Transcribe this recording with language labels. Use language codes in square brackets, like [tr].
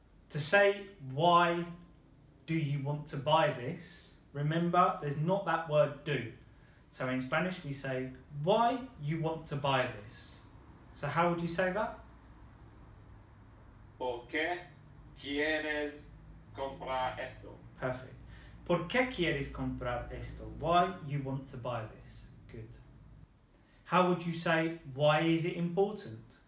[en] To say, why do you want to buy this? Remember, there's not that word do. So in Spanish, we say, why you want to buy this? So how would you say that? [es] ¿Por qué quieres comprar esto? [en] Perfect. [es] ¿Por qué quieres comprar esto? [en] Why you want to buy this? Good. How would you say, why is it important?